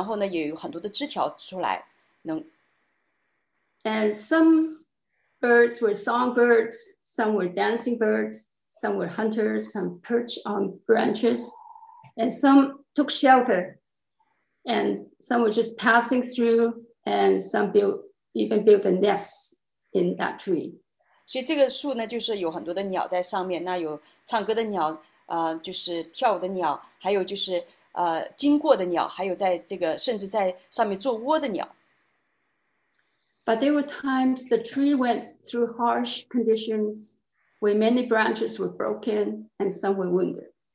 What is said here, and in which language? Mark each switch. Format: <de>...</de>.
<zh>所以这个树呢就慢慢的越长越健康越强健，然后呢也有很多的枝条出来。</zh> <en>And some birds were songbirds, some were dancing birds, some were hunters, some perched on branches, and some took shelter, and some were just passing through, and some built a nest in that tree.</en> <zh>所以这个树呢，就是有很多的鸟在上面，那有唱歌的鸟，就是跳舞的鸟，还有就是经过的鸟，还有在这个甚至在上面做窝的鸟。</zh> <en>But there were times the tree went through harsh conditions where many branches were broken and some were wounded.</en>